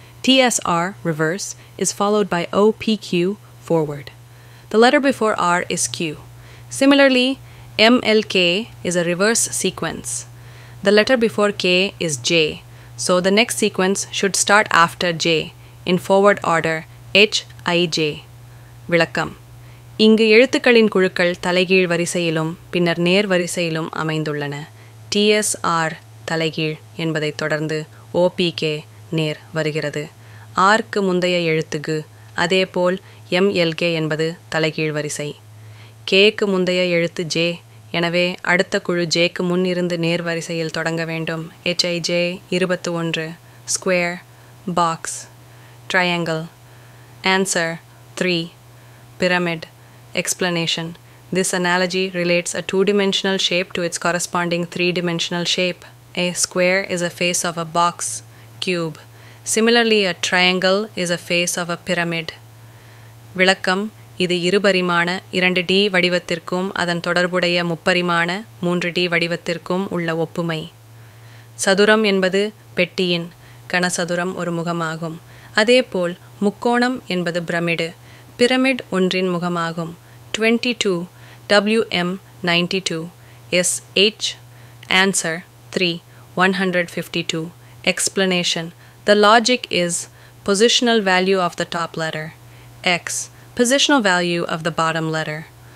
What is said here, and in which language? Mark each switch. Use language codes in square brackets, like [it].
[en] TSR, reverse, is followed by OPQ, forward. The letter before R is Q. Similarly, MLK is a reverse sequence. The letter before K is J, so the next sequence should start after J, in forward order, HIJ. [ta] விளக்கம் இங்கு எழுத்துக்களின் குழுக்கள் தலைகீழ் வரிசையிலும் பின்னர் நேர் வரிசையிலும் அமைந்துள்ளன. TSR தலைகீழ் என்பதைத் தொடர்ந்து OPK நேர் வருகிறது. ஆர்க்கு முந்தைய எழுத்துக்கு அதேபோல் எம்எல்கே என்பது தலைகீழ் வரிசை. கேக்கு முந்தைய எழுத்து ஜே, எனவே அடுத்த குழு ஜேக்கு முன் இருந்து நேர் வரிசையில் தொடங்க வேண்டும். [en] HIJ 21 square box triangle answer 3 pyramid explanation This analogy relates a two-dimensional shape to its corresponding three-dimensional shape. A square is a face of a box, cube. Similarly, a triangle is a face of a pyramid. [ta] விளக்கம் இது இருபரிமாண 2D வடிவத்திற்கும் அதன் தொடர்புடைய முப்பரிமாண 3D வடிவத்திற்கும் உள்ள ஒப்புமை. சதுரம் என்பது பெட்டியின் கனசதுரம் ஒரு முகமாகும். அதேபோல் முக்கோணம் என்பது பிரமிடு பிரமிட் ஒன்றின் முகமாகும். [en] 22 WM 92 SH Answer 3 152 Explanation The logic is Positional value of the top letter X Positional value of the bottom letter